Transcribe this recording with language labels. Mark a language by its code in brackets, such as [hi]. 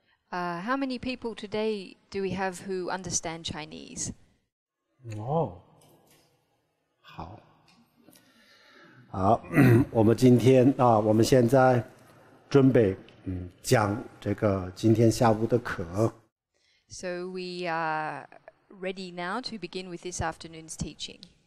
[en] How many people today do we have who understand Chinese? [zh] Oh, 好, 我们今天, 我们现在准备, 讲这个今天下午的课。 [en] So we are ready now to begin with this afternoon's teaching.